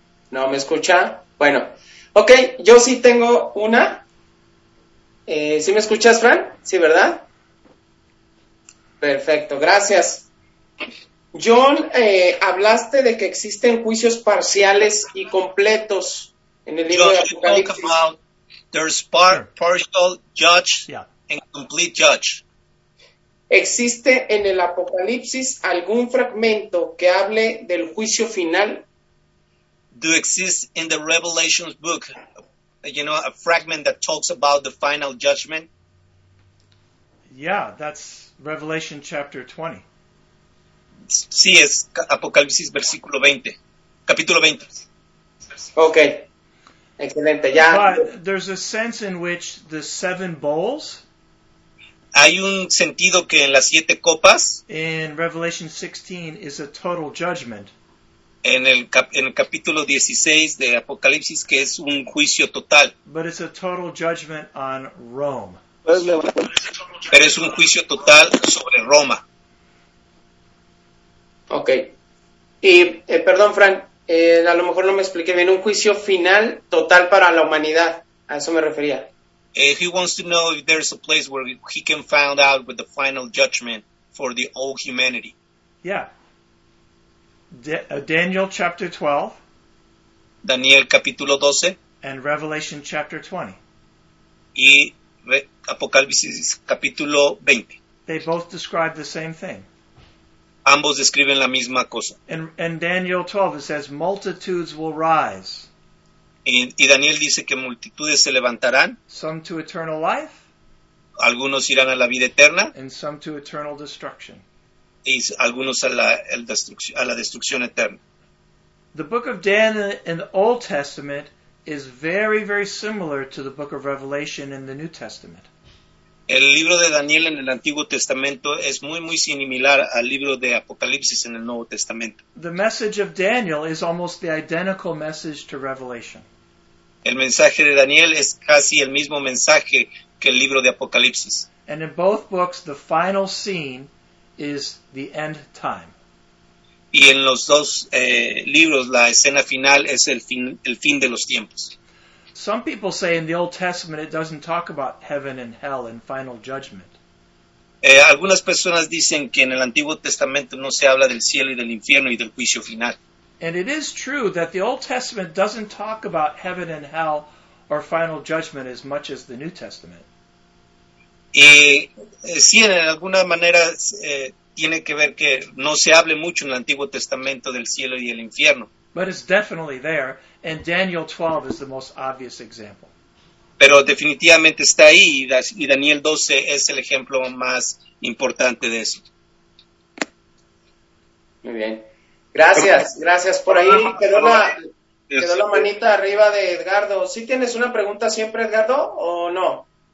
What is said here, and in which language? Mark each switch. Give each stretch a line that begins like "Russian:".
Spanish: ¿No me escucha? Bueno, ok, yo sí tengo una. ¿Sí me escuchas, Fran? Sí, ¿verdad? Perfecto, gracias. John, hablaste de que existen juicios parciales y completos en el libro de Apocalipsis.
English: John, you talk about there's partial judge and complete judge.
Spanish: ¿Existe en el Apocalipsis algún fragmento que hable del juicio final?
English: Do exist in the Revelation's book, you know, a fragment that talks about the final judgment? Yeah, that's Revelation chapter 20.
Spanish: Sí, es Apocalipsis versículo 20, capítulo 20. Okay, excelente, ya.
English: But there's a sense in which the seven bowls.
Spanish: Hay un sentido que en las siete copas.
English: In Revelation 16 is a total judgment.
Spanish: En el capítulo 16 de Apocalipsis, que es un juicio total.
English: But it's a total judgment on Rome.
Spanish: Pero es un juicio total sobre Roma.
English: Okay.
Spanish: Y perdón, Fran, a lo mejor no me expliqué bien. Un juicio final total para la humanidad. A eso me refería.
English: If he wants to know if there's a place where he can find out with the final judgment for the whole humanity. Yeah. Daniel chapter 12.
Spanish: Daniel capítulo 12.
English: And Revelation chapter 20.
Spanish: Y Apocalipsis capítulo 20.
English: They both describe the same thing.
Spanish: Ambos describen la misma cosa.
English: In Daniel 12 it says multitudes will rise.
Spanish: Y Daniel dice que multitudes se levantarán.
English: Some to eternal life.
Spanish: algunos irán a la vida eterna.
English: And some to eternal destruction.
Spanish: Y algunos a la destrucción eterna.
English: The book of Daniel in the Old Testament is very, very similar to the book of Revelation in the New Testament.
Spanish: El libro de Daniel en el Antiguo Testamento es muy, muy similar al libro de Apocalipsis en el Nuevo Testamento.
English: The message of Daniel is almost the identical message to Revelation.
Spanish: El mensaje de Daniel es casi el mismo mensaje que el libro de Apocalipsis.
English: And in both books, the final scene is the end time.
Spanish: Y en los dos libros, la escena final es el fin de los tiempos.
English: Some people say in the Old Testament it doesn't talk about heaven and hell and final judgment.
Spanish: Algunas personas dicen que en el Antiguo Testamento no se habla del cielo y del infierno y del juicio final.
English: And it is true that the Old Testament doesn't talk about heaven and hell or final judgment as much as the New Testament.
Spanish: Sí, en alguna manera tiene que ver que no se hable mucho en el Antiguo Testamento del cielo y el infierno.
English: But it's definitely there, and Daniel 12 is the most obvious example.
Spanish: Pero definitivamente está ahí, y Daniel 12 es el ejemplo más importante de eso. Muy bien. Gracias, gracias por ahí. Quedó la manita arriba de Edgardo. ¿Sí tienes una pregunta siempre, Edgardo, o no?